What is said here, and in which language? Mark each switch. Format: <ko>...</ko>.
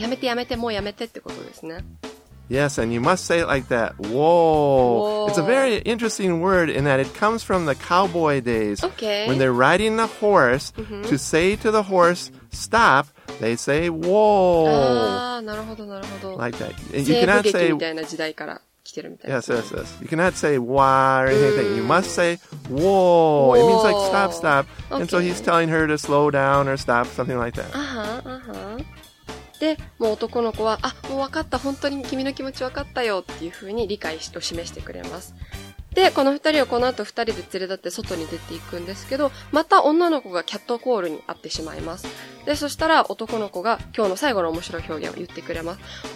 <ja>やめてやめて、もうやめてってことですね。</ja> <en>Yes, and you must say it like that. Whoa. It's a very interesting word in that it comes from the cowboy days. Okay. When they're riding the horse,、 mm-hmm. to say to the horse, stop,They say, whoa.</en> <ja>なるほど。</ja> <en>Like that. You cannot say,</en> <ja>西部劇みたいな時代から来てるみたいな。</ja> <en>Yes, yes, yes. You cannot say, why or anything. You must say, whoa. Whoa. It means like, stop, stop. Okay. And so he's telling her to slow down or stop, something like that. Uh-huh.</en> <ja>で、もう男の子は、あ、もう分かった。本当に君の気持ち分かったよっていうふうに理解を示してくれます。で、この二人をこの後二人で連れ立って外に出ていくんですけど、また女の子がキャットコールに会ってしまいます。で、そしたら男の子が今日の最後の面白い表現を言ってくれます。</ja>